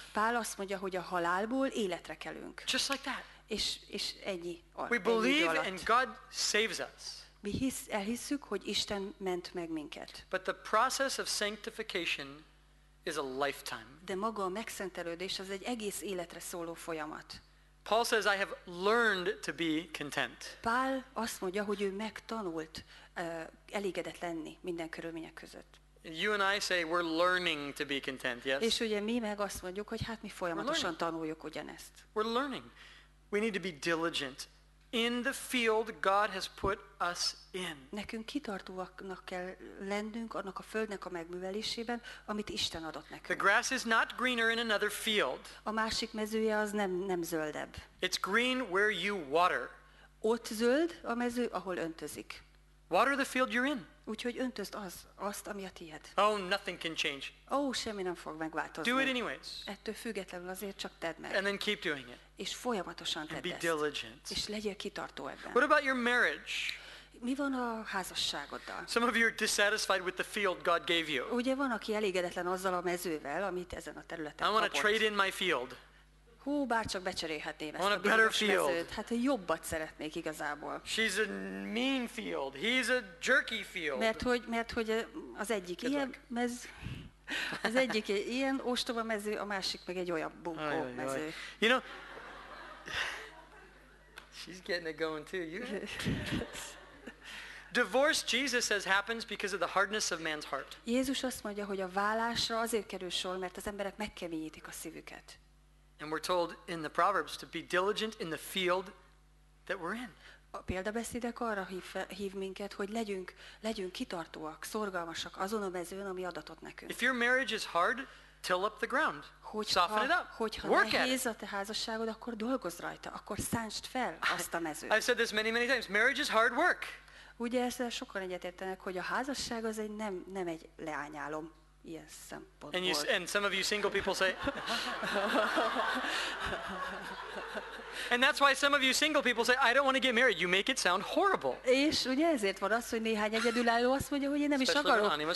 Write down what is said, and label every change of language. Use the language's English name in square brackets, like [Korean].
[Hungarian] Pál azt mondja, hogy a halálból életre kelünk. [English] Just like that. [Hungarian] És ennyi, [English] we believe and God saves us. [Hungarian] Mi elhisszük, hogy Isten ment meg minket. [English] But the process of sanctification is a lifetime. [Hungarian] De maga a megszentelődés az egy egész életre szóló folyamat. [English] Paul says, I have learned to be content. [Hungarian] Pál azt mondja, hogy ő megtanult elégedett lenni minden körülmények között. [English] You and I say we're learning to be content, yes? [Hungarian] És ugye mi meg azt mondjuk, hogy hát mi folyamatosan tanuljuk ugyanezt. [English] We're learning. We need to be diligent in the field God has put us in. [Hungarian] Nekünk kitartóaknak kell lennünk annak a földnek a megművelésében, amit Isten adott nekünk. [English] The grass is not greener in another field. [Hungarian] A másik mezője az nem zöldebb. [English] It's green where you water. [Hungarian] Ott zöld a mező, ahol öntözik. [English] Water the field you're in. [Hungarian] Úgyhogy öntözd azt, ami a tiéd. [English] Oh, nothing can change. [Hungarian] Oh, semmi nem fog megváltozni. [English] Do it anyways. [Hungarian] Ettől függetlenül azért csak tedd meg. [English] And then keep doing it. [Hungarian] És folyamatosan tedd [English] ezt. And be diligent. [Hungarian] És legyél kitartó ebben. [English] What about your marriage? [Hungarian] Mi van a házasságoddal? [English] Some of you are dissatisfied with the field God gave you. [Hungarian] Ugye van, aki elégedetlen azzal a mezővel, amit ezen a területen [English] kapott. I want to trade in my field. [Hungarian] Hú, bárcsak becserélhetném ezt a bizonyos mezőt. Hát jobbat szeretnék igazából. [English] She's a mean field. He's a jerky field. [Hungarian] Mert hogy az egyik ilyen mez, az egyik ilyen ostoba mező, a másik meg egy olyan bunkó mező. [English] You know, she's getting it going too. You. Divorce, Jesus says, happens because of the hardness of man's heart. [Hungarian] Jézus azt mondja, hogy a válásra azért kerül sor, mert az emberek megkeményítik a szívüket. [English] And we're told in the Proverbs to be diligent in the field that we're in. [Hungarian] A példabeszédek arra hív minket, hogy legyünk kitartóak, szorgalmasak azon a mezőn, ami adatott nekünk. [English] If your marriage is hard, till up the ground. [Hungarian] Hogyha nehéz a te házasságod, akkor dolgozz rajta, akkor szántsd fel azt a mezőt. [English] I've said this many, many times. Marriage is hard work. [Hungarian] Ugye ezzel sokan egyetértenek, hogy a házasság az egy nem egy leányálom ilyen szempontból. [English] And some of you single people say. And that's why some of you single people say, I don't want to get married. You make it sound horrible. [Hungarian] És ugye ezért van az, hogy néhány egyedülálló azt mondja, hogy én nem is akarok.